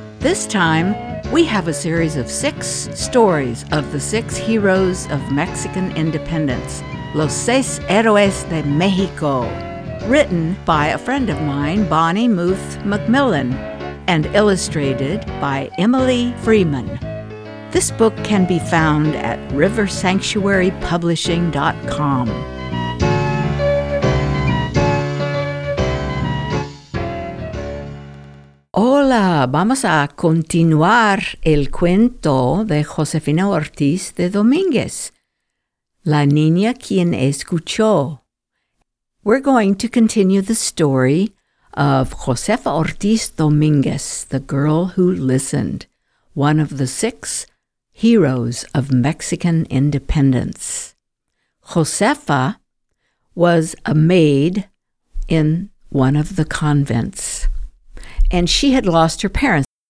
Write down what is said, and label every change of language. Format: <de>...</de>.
<en>This time, we have a series of six stories of the six heroes of Mexican independence, Los Seis Héroes de México, written by a friend of mine, Bonnie Muth McMillan, and illustrated by Emily Freeman. This book can be found at riversanctuarypublishing.com.</en> <es>Hola, vamos a continuar el cuento de Josefina Ortiz de Domínguez, La Niña Quien Escuchó.</es> <en>We're going to continue the story of Josefa Ortiz Domínguez, the girl who listened, one of the six heroes of Mexican independence. Josefa was a maid in one of the convents, and she had lost her parents.</en>